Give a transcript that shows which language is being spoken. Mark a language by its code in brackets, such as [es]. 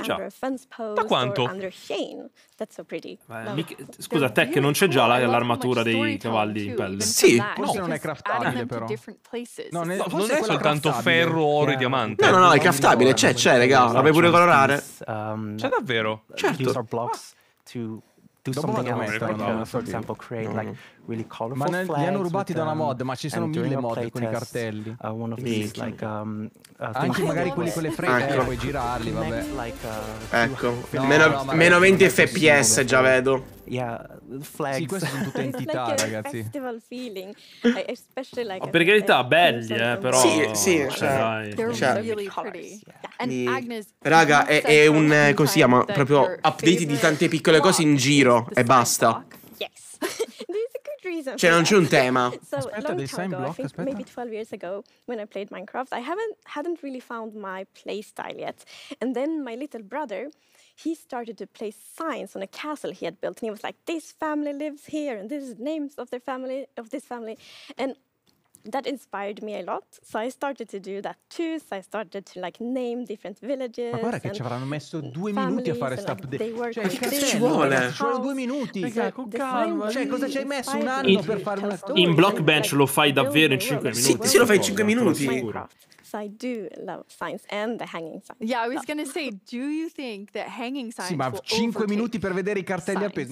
[it] già. Da quanto? [en] That's so pretty. [it] Scusa, Tech, non c'è già l'armatura dei cavalli in pelle? Sì. Forse non è craftabile. Però. No, non è soltanto ferro, oro e diamante. No, è craftabile, c'è, raga, la puoi pure colorare. C'è davvero? Certo. [en] These are blocks to do something else, for example, create like really colorful flags. [it] Ma li hanno rubati da una mod, ma ci sono mille mod con i cartelli. Anche magari quelli con le frecce, puoi girarli, vabbè. Ecco, meno 20 fps già vedo. [en] Yeah, flags. [it] Sì, queste sono tutte entità, [en] like [it] ragazzi. [en] Festival feeling. Like [it] per carità, belli, però. Sì, sì. Cioè, cioè, [en] really yeah. Agnes, [it] raga, è un, così si chiama, proprio update di tante piccole cose in giro e basta. [en] Yes. [it] Cioè, non c'è un tema. Aspetta, dei sign block, aspetta. [en] Maybe 12 years ago, when I played Minecraft, I hadn't really found my play style yet. And then my little brother... He started to place signs on a castle he had built, and he was like, "This family lives here, and this is names of their family, of this family," and that inspired me a lot. So I started to do that too. So I started to like name different villages. [it] Ma guarda che ci avranno messo due minuti a fare stop. [en] Like, [it] ma che cazzo ci vuole? Solo due minuti. Cioè, cosa ci hai messo un anno per fare una storia? In Blockbench lo fai davvero in 5 minuti? Sì, lo fai in 5 minuti. [en] I do love signs and the hanging signs. Yeah, I was gonna say, do you think that hanging signs? [it] Sì, ma 5 minuti per vedere i cartelli appesi?